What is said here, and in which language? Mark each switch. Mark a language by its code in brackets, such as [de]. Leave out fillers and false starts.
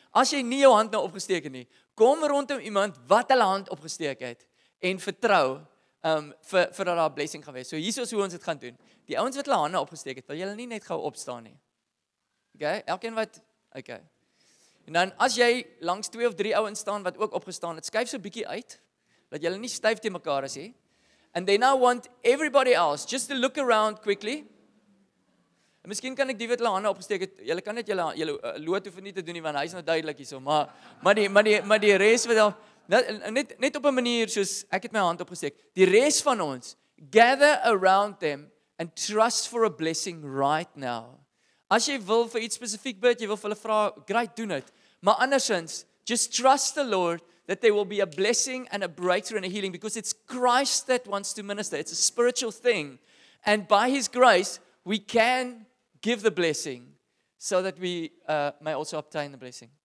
[af] As jy nie jou hand nou opgesteek het nie, kom rondom iemand wat hulle hand opgesteek het en vertrou vir dat daar 'n blessing gaan wees. So hier is hoe ons dit gaan doen. Die ouens wat hulle hande opgesteek het, wil julle nie net gou opstaan nie. Okay, elkeen wat okay. En dan as jy langs 2 of 3 ouens staan wat ook opgestaan het, skuif so 'n bietjie uit dat julle nie styf te mekaar is nie. [en] And then I want everybody else just to look around quickly. [af] En miskien kan ek die wat hulle hande opgesteek het, julle kan net julle loot hoef nie te doen nie want hy's nou duidelik hierso, maar die res wat net op 'n manier soos ek het my hand opgesteek. Die res van ons [en] gather around them and trust for a blessing right now. [af] As jy wil vir iets spesifiek bid, jy wil vir hulle vra, great, doen dit. Maar andersins, [en] just trust the Lord that there will be a blessing and a breakthrough and a healing because it's Christ that wants to minister. It's a spiritual thing. And by his grace, we can give the blessing so that we may also obtain the blessing.